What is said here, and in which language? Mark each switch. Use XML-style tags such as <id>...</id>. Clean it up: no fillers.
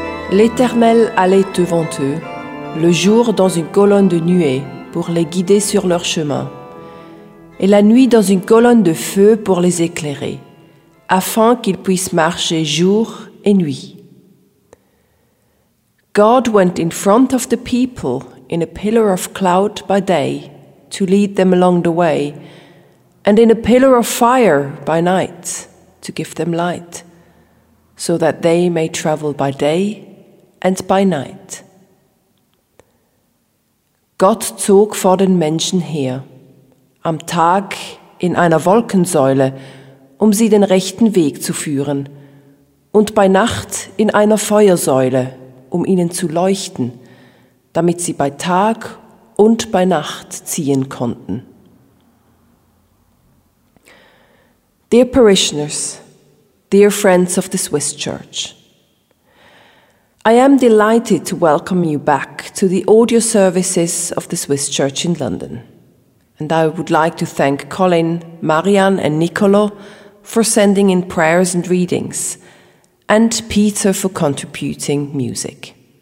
<fr>L'Éternel allait devant eux, le jour dans une colonne de nuée pour les guider sur leur chemin, et la nuit dans une colonne de feu pour les éclairer, afin qu'ils puissent marcher jour et nuit.</fr> <en>God went in front of the people in a pillar of cloud by day to lead them along the way, and in a pillar of fire by night to give them light, so that they may travel by day and by night.</en> <de>Gott zog vor den Menschen her, am Tag in einer Wolkensäule, um sie den rechten Weg zu führen, und bei Nacht in einer Feuersäule, um ihnen zu leuchten, damit sie bei Tag und bei Nacht ziehen konnten.</de> <en>Dear parishioners, dear friends of the Swiss Church, I am delighted to welcome you back to the audio services of the Swiss Church in London. And I would like to thank Colin, Marianne and Niccolo for sending in prayers and readings, and Peter for contributing music.</en>